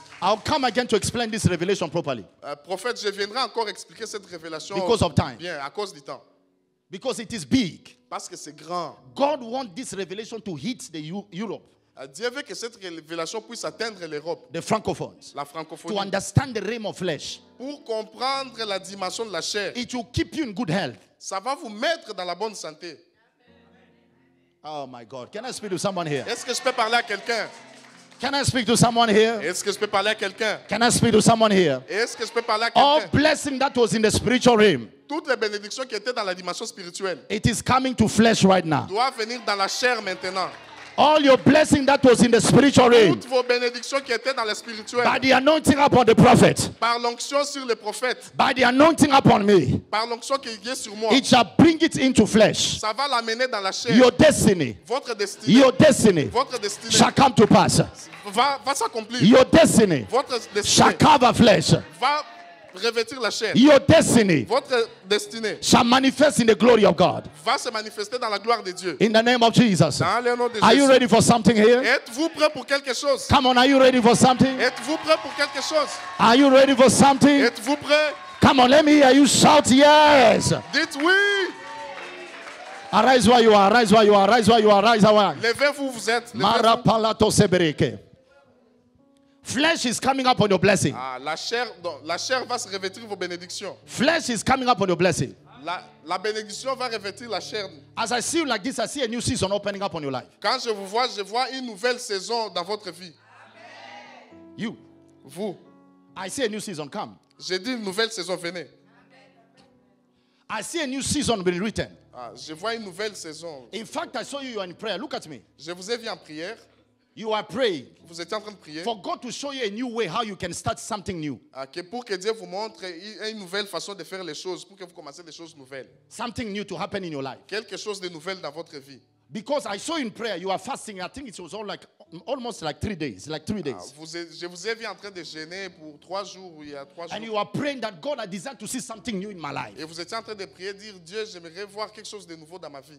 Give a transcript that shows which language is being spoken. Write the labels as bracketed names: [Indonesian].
[English] I'll come again to explain this revelation properly. [French] Prophète, je viendrai encore expliquer cette révélation. [English] Because of time. [French] Bien, à cause du temps. [English] Because it is big. [French] Parce que c'est grand. [English] God wants this revelation to hit the Europe. [French] Dieu veut que cette révélation puisse atteindre l'Europe. [English] The francophones. [French] La francophonie. [English] To understand the realm of flesh. [French] Pour comprendre la dimension de la chair. [English] It will keep you in good health. [French] Ça va vous mettre dans la bonne santé. [English] Oh my God! Can I speak to someone here? [French] Est-ce que je peux parler à quelqu'un? [English] Can I speak to someone here? [French] Est-ce que je peux parler à quelqu'un? [English] Can I speak to someone here? [French] Est-ce que je peux parler à quelqu'un? [English] All blessing that was in the spiritual realm. [French] Toutes les bénédictions qui étaient dans la dimension spirituelle. [English] It is coming to flesh right now. [French] Doit venir dans la chair maintenant. [English] All your blessing that was in the spiritual realm. [French] Toutes vos bénédictions qui étaient dans le spirituel. [English] By the anointing upon the prophet. [French] Par l'onction sur le prophète. [English] By the anointing upon me. [French] Par l'onction qui est sur moi. [English] It shall bring it into flesh. [French] Ça va l'amener dans la chair. [English] Your destiny. [French] Votre destinée. [English] Your destiny. [French] Votre destinée. [English] Shall come to pass. [French] Va s'accomplir. [English] Your destiny. [French] Votre destinée. [English] Shall cover flesh. [French] Va revêtir la chair. [English] Your destiny. [French] Votre destinée. [English] Shall manifest in the glory of God. [French] Va se manifester dans la gloire de Dieu. [English] In the name of Jesus. [French] Dans le nom de Jésus. [English] Are you ready for something here? [French] Êtes-vous prêt pour quelque chose? [English] Come on, are you ready for something? [French] Êtes-vous prêt pour quelque chose? [English] Are you ready for something? [French] Êtes-vous prêt? [English] Come on, let me hear you shout yes. [French] Dites oui. [English] Arise where you are. Arise where you are. Arise where you are. Arise where you are. [French] Levez-vous, vous êtes. Marapalato sebereke. [English] Flesh is coming up on your blessing. [French] La chair va se revêtir vos bénédictions. [English] Flesh is coming up on your blessing. [French] La bénédiction va revêtir la chair. [English] As I see you like this, I see a new season opening up on your life. [French] Quand je vous vois, je vois une nouvelle saison dans votre vie. [English] Amen. You. [French] Vous. [English] I see a new season come. [French] J'ai dit une nouvelle saison venez. [English] Amen. I see a new season being written. [French] Je vois une nouvelle saison. [English] In fact, I saw you in prayer. Look at me. [French] Je vous ai vu en prière. [English] You are praying. [French] Vous êtes en train de prier. [English] For God to show you a new way how you can start something new. [French] Pour que Dieu vous montre une nouvelle façon de faire les choses, pour que vous commenciez des choses nouvelles. [English] Something new to happen in your life. [French] Quelque chose de nouvel dans votre vie. [English] Because I saw in prayer you are fasting. I think it was all like almost like 3 days, like 3 days. [French] Je vous ai vu en train de jeûner pour 3 jours, il y a 3 jours. [English] And you are praying that God, I desire to see something new in my life. [French] Et vous étiez en train de prier, dire Dieu, j'aimerais voir quelque chose de nouveau dans ma vie.